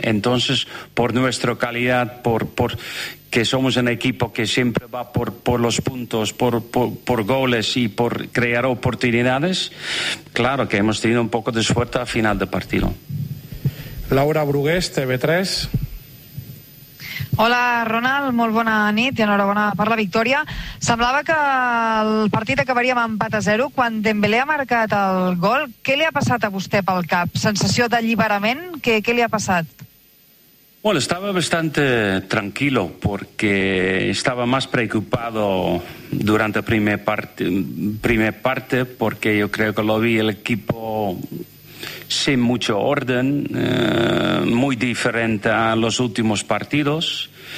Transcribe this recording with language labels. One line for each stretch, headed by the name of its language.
Spanish: Entonces por nuestra calidad, por que somos un equipo que siempre va por los puntos, por goles y por crear oportunidades, claro que hemos tenido un poco de suerte al final del partido.
Catalan: Laura Brugués, TV3. Hola, Ronald, molt bona nit i enhorabona per la victòria. Semblava que el partit acabaria amb empat a 0. Quan Dembélé ha marcat el gol, què li ha passat a vostè pel cap? Sensació d'alliberament? Què li ha passat?
Spanish: Bueno, estaba bastante tranquilo porque estaba más preocupado durante la primera parte porque yo creo que lo vi el equipo sin mucho orden, muy diferente a los últimos partidos.